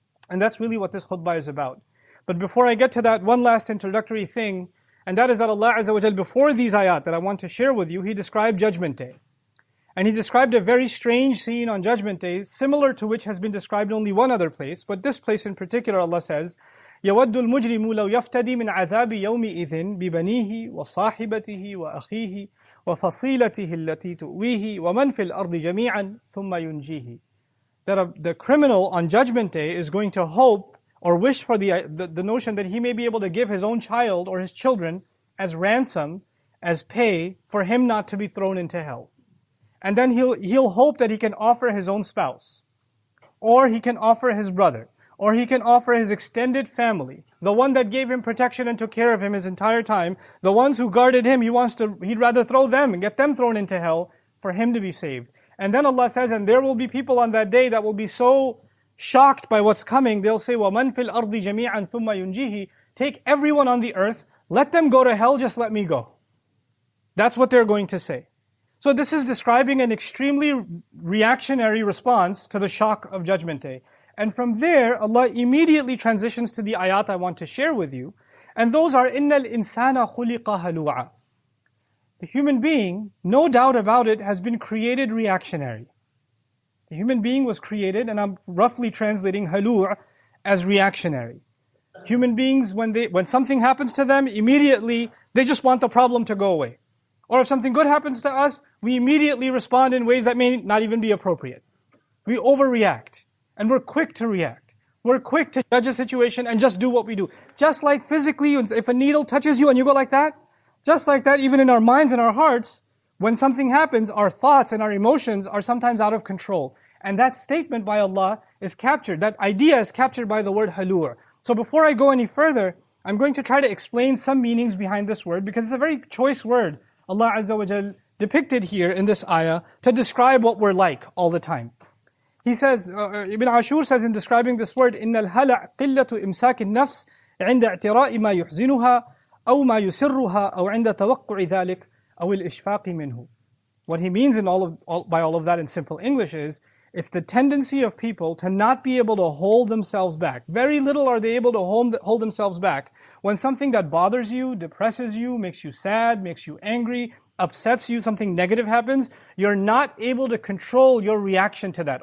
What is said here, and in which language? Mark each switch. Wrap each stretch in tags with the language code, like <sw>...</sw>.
<en>And that's really what this khutbah is about. But before I get to that, one last introductory thing, and that is that Allah Azza wa Jalla, before these ayat that I want to share with you, He described Judgment Day. And He described a very strange scene on Judgment Day, similar to which has been described only one other place. But this place in particular, Allah says,</en> <ar>يَوَدُّ الْمُجْرِمُ لَوْ يَفْتَدِي مِنْ عَذَابِ يَوْمِئِذٍ بِبَنِيهِ وَصَاحِبَتِهِ وَأَخِيهِ وَفَصِيلَتِهِ الَّتِي تُؤْوِيهِ وَمَنْ فِي الْأَرْضِ جَمِيعًا ثُمَّ يُنْجِيهِ.</ar> <en>That the criminal on Judgment Day is going to hope or wish for the notion that he may be able to give his own child or his children as ransom, as pay, for him not to be thrown into hell. And then he'll hope that he can offer his own spouse, or he can offer his brother, or he can offer his extended family, the one that gave him protection and took care of him his entire time, the ones who guarded him, he'd rather throw them and get them thrown into hell for him to be saved. And then Allah says, and there will be people on that day that will be so shocked by what's coming, they'll say,</en> <ar>وَمَنْ فِي الْأَرْضِ جَمِيعًا ثُمَّ يُنْجِيهِ.</ar> <en>Take everyone on the earth, let them go to hell, just let me go. That's what they're going to say. So this is describing an extremely reactionary response to the shock of Judgment Day. And from there, Allah immediately transitions to the ayat I want to share with you. And those are,</en> <ar>إِنَّ الْإِنسَانَ خُلِقَ هَلُوعًا.</ar> <en>The human being, no doubt about it, has been created reactionary. The human being was created, and I'm roughly translating halu' as reactionary. Human beings, when something happens to them, immediately they just want the problem to go away. Or if something good happens to us, we immediately respond in ways that may not even be appropriate. We overreact, and we're quick to react. We're quick to judge a situation and just do what we do. Just like physically, if a needle touches you and you go like that, just like that, even in our minds and our hearts, when something happens, our thoughts and our emotions are sometimes out of control. And that statement by Allah is captured, that idea is captured by the word halur. So before I go any further, I'm going to try to explain some meanings behind this word, because it's a very choice word Allah Azza wa Jal depicted here in this ayah to describe what we're like all the time. He says, Ibn Ashur says in describing this word,</en> <ar>إِنَّ الْهَلَعْ قِلَّةُ إِمْسَاكِ النَّفْسِ عِنْدَ اعْتِرَاءِ مَا يُحْزِنُهَا أَوْ مَا يُسِرُّهَا أَوْ عِنْدَ تَوَقُّعِ ذَلِكَ أَوْ الْإِشْفَاقِ مِنْهُ.</ar> <en>What he means by all of that in simple English is, it's the tendency of people to not be able to hold themselves back. Very little are they able to hold themselves back when something that bothers you, depresses you, makes you sad, makes you angry, upsets you, something negative happens, you're not able to control your reaction to that.</en>